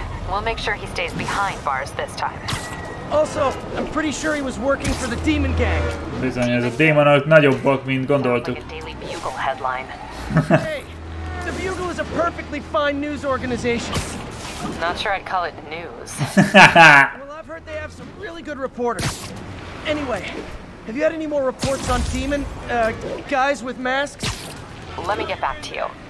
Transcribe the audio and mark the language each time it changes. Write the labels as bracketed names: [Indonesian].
[English] We'll make sure he stays behind bars this time. Also, I'm pretty sure he was working for the demon gang. [Hungarian] Bizony, ez a démonok nagyobbak, mint gondoltuk. [English] Hey, the Bugle is a perfectly fine news organization. Not sure I'd call it news. Well, I've heard they have some really good reporters. Anyway, have you had any more reports on demon, guys with masks? Let me get back to you.